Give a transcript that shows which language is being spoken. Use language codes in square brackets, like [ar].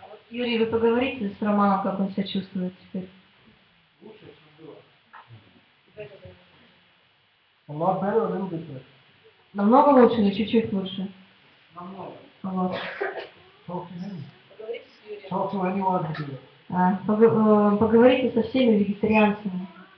[ru] Юрий, вы поговорите с Романом, как он себя чувствует теперь? Лучше, чем было. [en] A lot better, a little bit better. [ru] Намного лучше или чуть-чуть лучше? Намного. Вот. [en] Talk to him. Talk to anyone who did it. [ru] Поговорите со всеми вегетарианцами.